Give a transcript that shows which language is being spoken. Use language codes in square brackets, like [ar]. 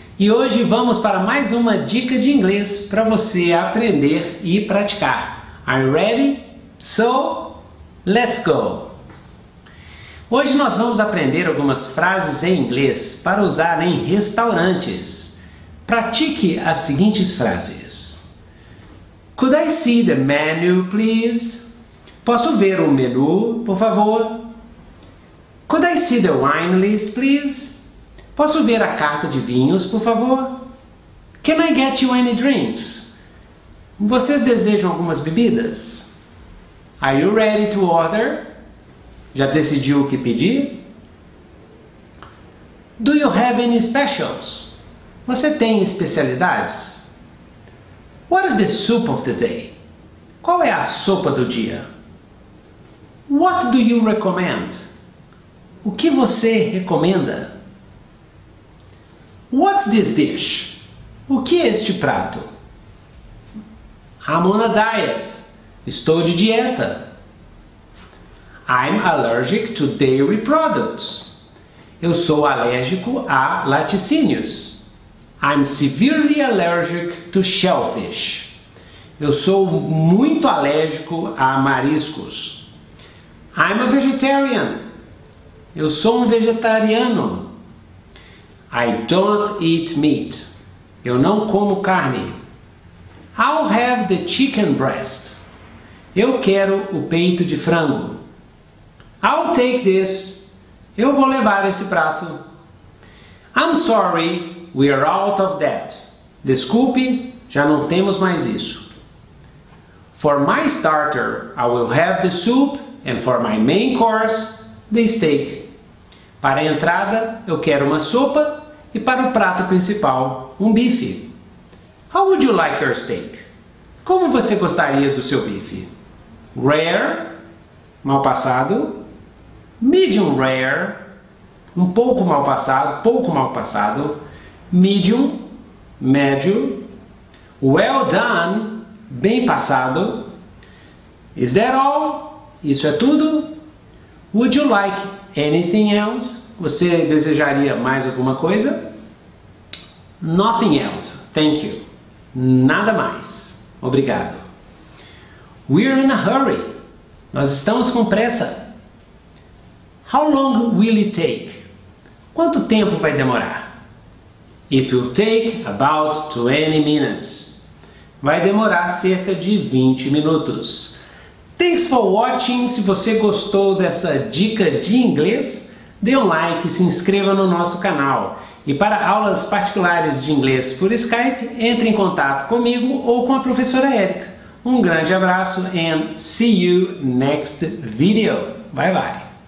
[pt] E hoje vamos para mais uma dica de inglês para você aprender e praticar. [en] Are you ready? So, let's go! [pt] Hoje nós vamos aprender algumas frases em inglês para usar em restaurantes. Pratique as seguintes frases. [en] Could I see the menu, please? [pt] Posso ver o menu, por favor? [en] Could I see the wine list, please? [pt] Posso ver a carta de vinhos, por favor? [en] Can I get you any drinks? [pt] Vocês desejam algumas bebidas? [en] Are you ready to order? [pt] Já decidiu o que pedir? [en] Do you have any specials? [pt] Você tem especialidades? [en] What is the soup of the day? [pt] Qual é a sopa do dia? [en] What do you recommend? [pt] O que você recomenda? [en] What's this dish? [pt] O que é este prato? [en] I'm on a diet. [pt] Estou de dieta. [en] I'm allergic to dairy products. [pt] Eu sou alérgico a laticínios. [en] I'm severely allergic to shellfish. [pt] Eu sou muito alérgico a mariscos. [en] I'm a vegetarian. [pt] Eu sou um vegetariano. [en] I don't eat meat. [pt] Eu não como carne. [en] I'll have the chicken breast. [pt] Eu quero o peito de frango. [en] I'll take this. [pt] Eu vou levar esse prato. [en] I'm sorry. We are out of that. [pt] Desculpe, já não temos mais isso. [en] For my starter, I will have the soup, and for my main course, the steak. [pt] Para a entrada, eu quero uma sopa, e para o prato principal, um bife. [en] How would you like your steak? [pt] Como você gostaria do seu bife? Rare, mal passado. Medium rare, um pouco mal passado, pouco mal passado. Medium, médio. Well done, bem passado. [en] Is that all? [pt] Isso é tudo? [en] Would you like anything else? [pt] Você desejaria mais alguma coisa? [en] Nothing else, thank you. [pt] Nada mais. Obrigado. [en] We're in a hurry. [pt] Nós estamos com pressa. [en] How long will it take? [pt] Quanto tempo vai demorar? [en] It will take about 20 minutes. [pt] Vai demorar cerca de 20 minutos. [en] Thanks for watching. [pt] Se você gostou dessa dica de inglês, dê um like e se inscreva no nosso canal. E para aulas particulares de inglês por Skype, entre em contato comigo ou com a professora Erica. Um grande abraço [en] and see you next video. Bye bye.